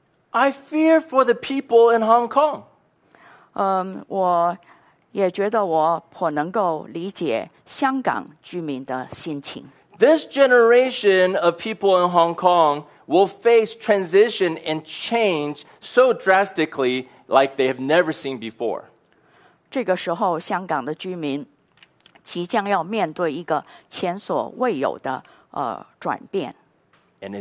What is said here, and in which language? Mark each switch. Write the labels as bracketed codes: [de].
[en] I fear for the people in Hong Kong. [zh] 我也觉得我颇能够理解香港居民的心情。 [en] This generation of people in Hong Kong will face transition and change so drastically like they have never seen before. [zh] 这个时候香港的居民即将要面对一个前所未有的转变。And